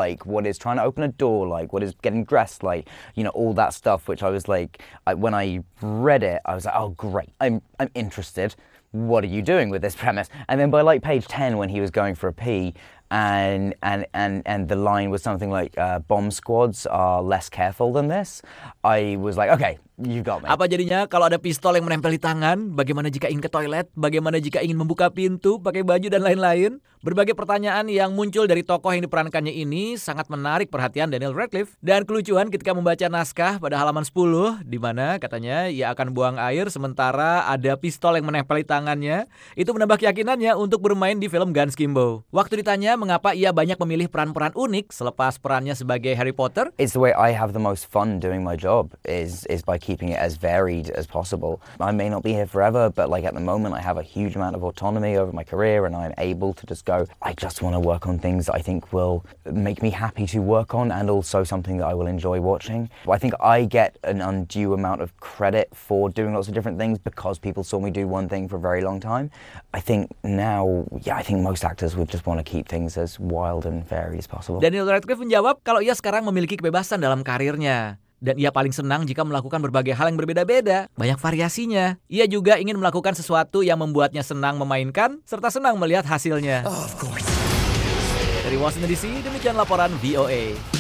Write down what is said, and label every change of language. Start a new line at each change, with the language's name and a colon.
English: like, what is trying to open a door like, what is getting dressed like, you know, all that stuff, which I was like, when I read it, I was like, oh, great, I'm interested. What are you doing with this premise? And then by like page 10, when he was going for a pee, and the line was something like, bomb squads are less careful than this, I was like, okay, you got me.
Indonesian: Apa jadinya kalau ada pistol yang menempel di tangan? Bagaimana jika ingin ke toilet? Bagaimana jika ingin membuka pintu, pakai baju, dan lain-lain? Berbagai pertanyaan yang muncul dari tokoh yang diperankannya ini sangat menarik perhatian Daniel Radcliffe. Dan kelucuan ketika membaca naskah pada halaman 10, di mana katanya ia akan buang air sementara ada pistol yang menempel di tangannya, itu menambah keyakinannya untuk bermain di film Guns Kimbo. Waktu ditanya mengapa ia banyak memilih peran-peran unik selepas perannya sebagai Harry Potter,
English: it's the way I have the most fun doing my job is by keeping it as varied as possible. I may not be here forever, but like at the moment I have a huge amount of autonomy over my career and I'm able to just go, I just want to work on things that I think will make me happy to work on and also something that I will enjoy watching. I think I get an undue amount of credit for doing lots of different things because people saw me do one thing for a very long time. I think now, yeah, I think most actors would just want to keep things as wild and varied as possible.
Indonesian: Daniel Radcliffe menjawab kalau ia sekarang memiliki kebebasan dalam karirnya. Dan ia paling senang jika melakukan berbagai hal yang berbeda-beda, banyak variasinya. Ia juga ingin melakukan sesuatu yang membuatnya senang memainkan, serta senang melihat hasilnya. Dari Washington DC, demikian laporan VOA.